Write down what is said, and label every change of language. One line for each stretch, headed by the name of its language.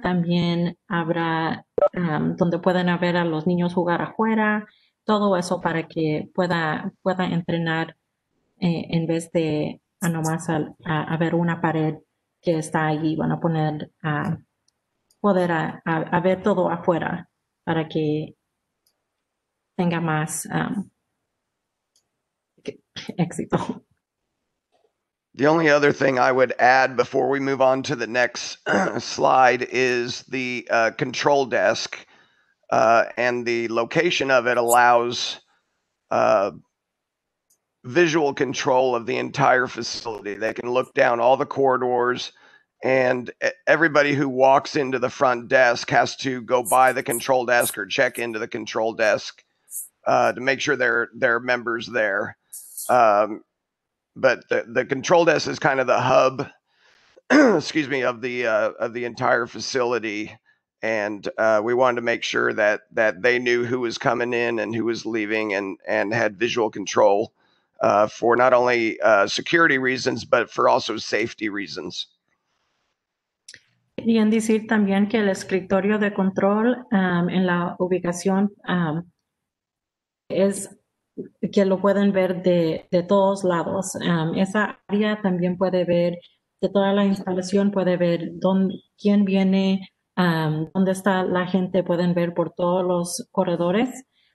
Spanish: También habrá donde pueden ver a los niños jugar afuera, todo eso para que pueda entrenar en vez de nomás a ver una pared que está ahí. Van a poner a ver todo afuera para que tenga más éxito.
English: The only other thing I would add before we move on to the next slide is the control desk. And the location of it allows visual control of the entire facility. They can look down all the corridors And everybody who walks into the front desk has to go by the control desk or check into the control desk to make sure they're members there. But the control desk is kind of the hub, excuse me, of the entire facility. And we wanted to make sure that they knew who was coming in and who was leaving, and had visual control for not only security reasons, but for also safety reasons.
Spanish: Bien decir también que el escritorio de control en la ubicación es que lo pueden ver de todos lados. Esa área también puede ver de toda la instalación, puede ver quién viene, dónde está la gente, pueden ver por todos los corredores.